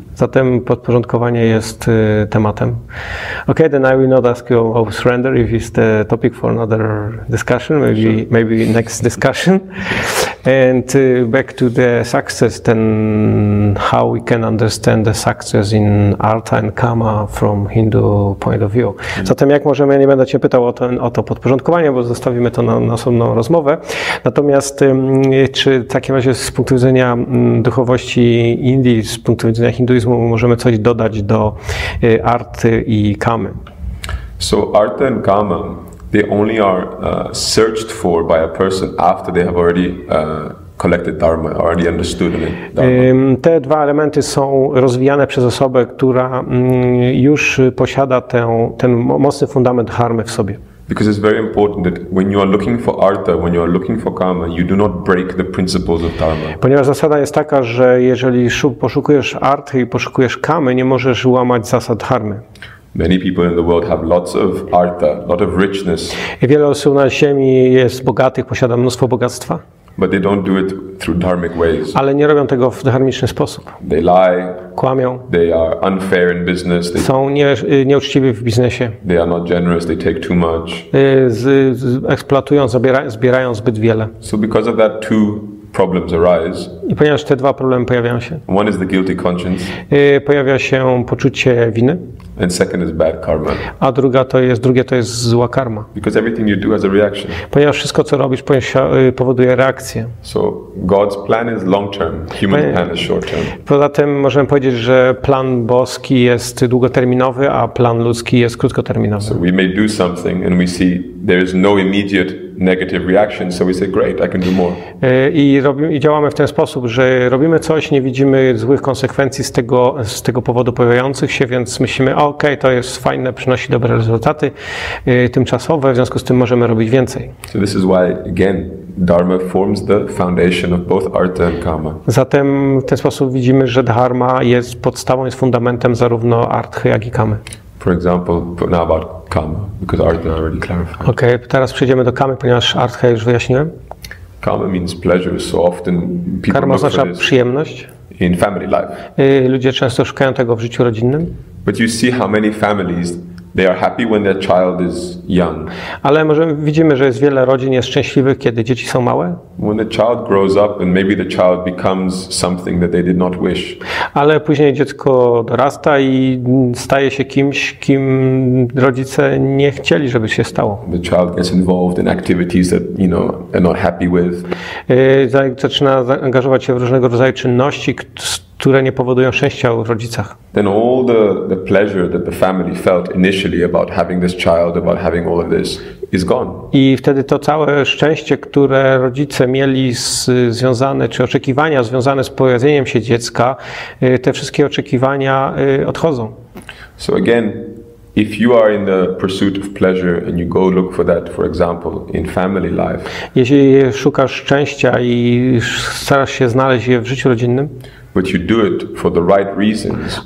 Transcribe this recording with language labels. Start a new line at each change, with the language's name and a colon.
Polish: Zatem podporządkowanie jest tematem.
English: Okay, then I will not ask you of surrender if it's the topic for another discussion, maybe next discussion. And back to the success, then how we can understand the success in Artha and Kama from Hindu point of view.
Polish: Zatem jak możemy, ja nie będę Cię pytał o to podporządkowanie, bo zostawimy to na osobną rozmowę. Natomiast czy w takim razie z punktu widzenia duchowości Indii, z punktu widzenia hinduizmu, możemy coś dodać do Arty i Kamy?
English: So artha and kama, they only are searched for by a person after they have already collected dharma, already understood dharma.
Polish: Te dwa elementy są rozwijane przez osobę, która już posiada ten mocny fundament dharmy w sobie.
English: Because it's very important that when you are looking for artha, when you are looking for karma, you do not break the principles of dharma.
Polish: Ponieważ zasada jest taka, że jeżeli poszukujesz arty i poszukujesz kamy, nie możesz łamać zasad dharmy.
English: Many people in the world have lots of artha, lot of richness.
Polish: Wiele osób na ziemi jest bogatych, posiada mnóstwo bogactwa.
English: But they don't do it through dharmic ways.
Polish: Ale nie robią tego w dharmiczny sposób.
English: They lie.
Polish: Kłamią.
English: They are unfair in business.
Polish: Są nieuczciwi w biznesie.
English: They are not generous. They take too much.
Polish: Eksploatują, zbierają zbyt wiele.
English: So because of that, two problems arise.
Polish: I ponieważ te dwa problemy pojawiają się.
English: One is the guilty conscience.
Polish: Pojawia się poczucie winy.
English: And second is bad karma.
Polish: A druga to jest, drugie to jest zła karma.
English: Because everything you do has a reaction.
Polish: Ponieważ wszystko co robisz powoduje reakcję.
English: So God's plan is long term, human plan is short term.
Polish: Poza tym możemy powiedzieć, że plan boski jest długoterminowy, a plan ludzki jest krótkoterminowy.
English: So we may do something and we see there is no immediate negative reaction, so we say great, I can do more.
Polish: I działamy w ten sposób, że robimy coś, nie widzimy złych konsekwencji z tego powodu pojawiających się, więc myślimy, okej, to jest fajne, przynosi dobre rezultaty tymczasowe, w związku z tym możemy robić więcej.
English: So this is why again dharma forms the foundation of both artha and kama.
Polish: Zatem w ten sposób widzimy, że dharma jest podstawą, jest fundamentem zarówno arthy, jak i kamy.
English: For example, now about kama, because artha already clarified.
Polish: Okej, teraz przejdziemy do kamy, ponieważ artha już wyjaśniłem.
English: Kama means pleasure, so often people
Polish: karma oznacza przyjemność.
English: In family life.
Polish: Ludzie często szukają tego w życiu rodzinnym.
English: But you see how many families they are happy when their child is young.
Polish: Ale możemy widzimy, że jest wiele rodzin jest szczęśliwych, kiedy dzieci są małe.
English: When the child grows up and maybe the child becomes something that they did not wish.
Polish: Ale później dziecko dorasta i staje się kimś, kim rodzice nie chcieli, żeby się stało.
English: The child gets involved in activities that, you know, are not happy with.
Polish: Zaczyna angażować się w różnego rodzaju czynności, które nie powodują szczęścia u rodzicach.
English: Then all the pleasure that the family felt initially about having this child, about having all of this, is gone.
Polish: I wtedy to całe szczęście, które rodzice mieli związane, czy oczekiwania związane z pojawieniem się dziecka, te wszystkie oczekiwania odchodzą.
English: So again, if you are in the pursuit of pleasure and you go look for that, for example, in family life.
Polish: Jeśli szukasz szczęścia i starasz się znaleźć je w życiu rodzinnym.
English: But you do it for the right reasons.